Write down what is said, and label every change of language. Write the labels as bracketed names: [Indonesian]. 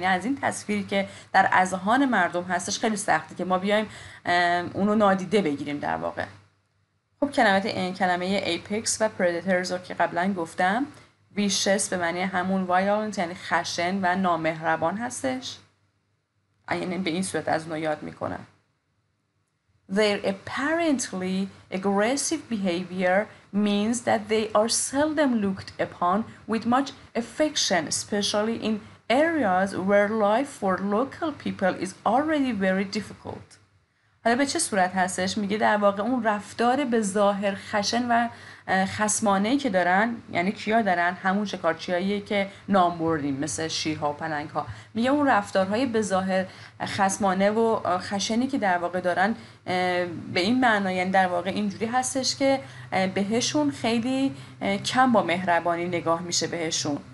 [Persian] یعنی از این تصویری که در اذهان مردم هستش خیلی سخته که ما بیایم اونو نادیده بگیریم در واقع. خب کلمه ایپکس و پردیترز رو که قبلا گفتم، ویشس به معنی همون وایلنت یعنی خشن و نامهربان هستش، یعنی به این صورت از اونو یاد میکنن. [English] Their apparently aggressive behavior means that they are seldom looked upon with much affection, especially in areas where life for local people is already very difficult. [Persian] حالا به چه صورت هستش؟ میگه در واقع اون رفتار به ظاهر خشن و خصمانه‌ای که دارن، یعنی کیا دارن؟ همون شکارچیایی که نام بردیم، مثل شیرها و پلنگ‌ها. میگه اون رفتارهای به ظاهر خصمانه و خشنی که در واقع دارن به این معنا، یعنی در واقع اینجوری هستش که بهشون خیلی کم با مهربانی نگاه میشه بهشون.